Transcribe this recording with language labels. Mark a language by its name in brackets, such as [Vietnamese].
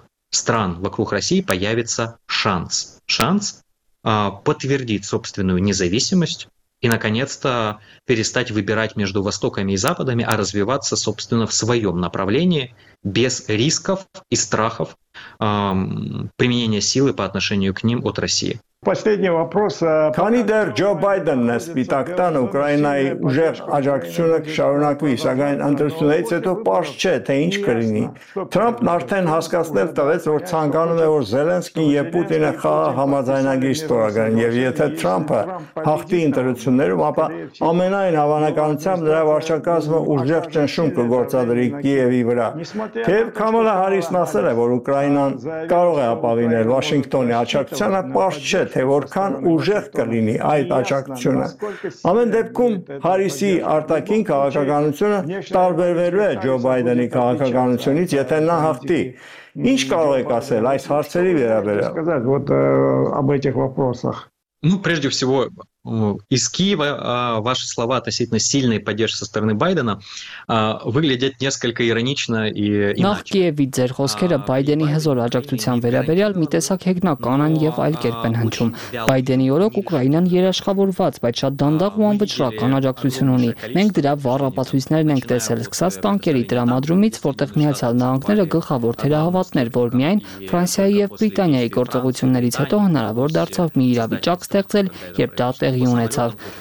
[Russian] Стран вокруг России появится шанс. Шанс подтвердить собственную независимость и, наконец-то, перестать выбирать между Востоками и Западами, а развиваться, собственно, в своем направлении без рисков и страхов применения силы по отношению к ним от России. Последний вопрос. [Armenian] Քանի դեռ Ջո Բայդենն է Սպիտակ տան, Ուկրաինայի ուժեղ աջակցությունը կշարունակվի, սակայն ընտրություններից հետո պարզ չէ, թե ինչ կլինի։ Թրամփն արդեն հասկացնել տվեց, որ ցանկանում է, որ Զելենսկին և Պուտինը խաղ համաձայնագիր ստորագրեն, և եթե Թրամփը հաղթի ընտրություններում, ապա ամենայն հավանականությամբ նրա վարչակազմը ուժեղ ճնշում կգործադրի Կիևի վրա։ Թեև Քամալա Հարիսն ասել է, որ Ուկրաինան կարող է ապավինել Վաշինգտոնի աջակցությանը, պարզ չէ, թե որքան ուժեղ կլինի այդ աջակցությունը։ Ամեն դեպքում Հարիսի արտաքին քաղաքականությունը տարբերվելու է Ջո Բայդենի քաղաքականությունից, եթե նա հաղթի։ Ինչ կարող եք ասել այս հարցերի վերաբերյալ։ [Russian] Ну, прежде всего, из Киева ваши слова относительно сильной поддержки со стороны Байдена выглядят несколько иронично и иначе. [Armenian] Նախ Կիևի ձեր խոսքերը Բայդենի հզոր աջակցության վերաբերյալ մի տեսակ հեգնական են և այլ կերպ են հնչում։ Բայդենի օրոք Ուկրաինան երաշխավորված, բայց շատ դանդաղ ու անվճռական աջակցություն ունի։ Մենք դրա վառ ապացույցներն ենք տեսել, սկսած տանկերի դրամադրումից, որտեղ Միացյալ Նահանգները գլխավոր թերահավատն էր, որ միայն Ֆրանսիայի և Բրիտանիայի գործողություններից հետո հնարավոր դարձավ մի իրավիճակ ստեղծել, երբ դա տեղի ունեցավ։